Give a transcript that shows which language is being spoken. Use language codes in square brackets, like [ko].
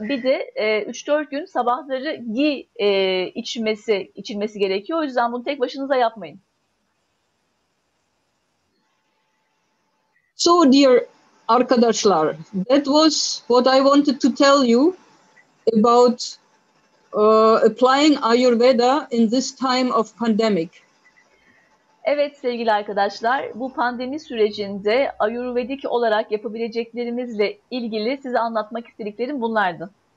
[tr] Bir de 3-4 gün sabahları ghee içilmesi gerekiyor. O yüzden bunu tek başınıza yapmayın. [en] So dear [tr] arkadaşlar, [en] that was what I wanted to tell you about applying Ayurveda in this time of pandemic. [tr] Evet sevgili arkadaşlar, bu pandemi sürecinde Ayurvedik olarak yapabileceklerimizle ilgili size anlatmak istediklerim bunlardı.